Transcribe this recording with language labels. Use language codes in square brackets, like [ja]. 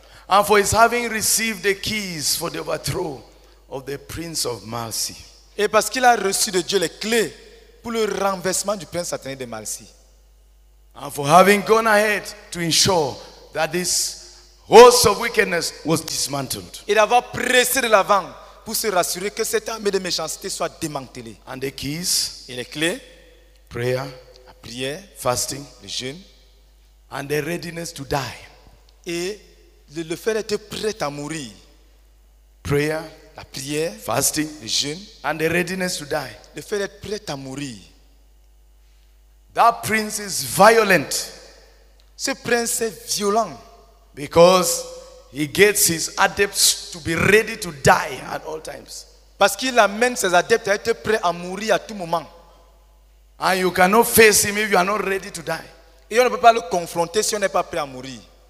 [en] And for his having received the keys for the overthrow of the Prince of Mercy. [fr] Et parce qu'il a reçu de Dieu les clés pour le renversement du prince satané de Mercy. [en] And for having gone ahead to ensure that this host of wickedness was dismantled. [fr] Et d'avoir pressé de l'avant pour se rassurer que cette armée de méchanceté soit démantelée. [en] And the keys. [fr] Et les clés. [en] Prayer. [fr] La prière. [en] Fasting. [fr] Le jeûne. [en] And the readiness to die. [fr] Et le fait d'être prêt à mourir. [en] Prayer. [fr] La prière. [en] Fasting. [fr] Le jeûne. [en] And the readiness to die. [fr] Le fait d'être prêt à mourir. [en] That prince is violent. [fr] Ce prince est violent. [en] Because he gets his adepts to be ready to die at all times. [fr] Parce qu'il amène ses adeptes à être prêts à mourir à tout moment. [en] And you cannot face him if you are not ready to die. [fr] Et on ne peut pas le confronter si on n'est pas prêt à mourir.